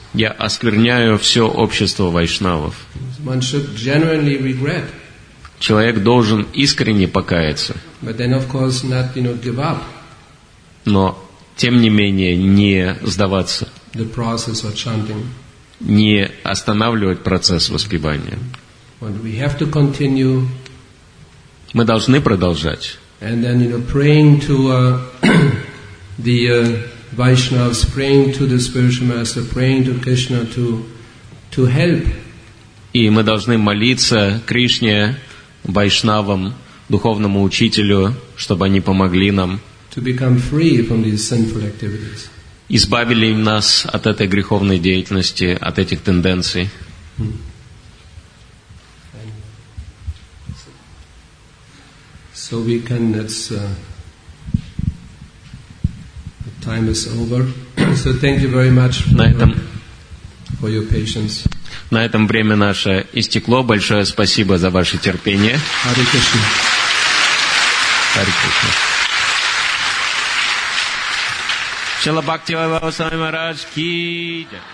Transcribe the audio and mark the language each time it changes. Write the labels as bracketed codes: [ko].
[ru] Я оскверняю все общество вайшнавов. [en] One should genuinely regret. [ru] Человек должен искренне покаяться. [en] But then, of course, not, you know, give up. [ru] Но, тем не менее, не сдаваться. [en] The process of chanting. [ru] Не останавливать процесс воспевания. [en] But we have to continue. [ru] Мы должны продолжать. [en] And then, you know, praying to the Vaishnavas, praying to the spiritual master, praying to Krishna to help. [ru] И мы должны молиться Кришне, Вайшнавам, духовному учителю, чтобы они помогли нам. [en] To become free from these sinful activities. [ru] Избавили нас от этой греховной деятельности, от этих тенденций. [en] So we can, that's time is over. So thank you very much for your patience. [ru] На этом время наше истекло. Большое спасибо за ваше терпение. [en] Hare Krishna. Hare Krishna. [ru] Шрила Бхакти Вайбхава Госвами Махарадж Ки.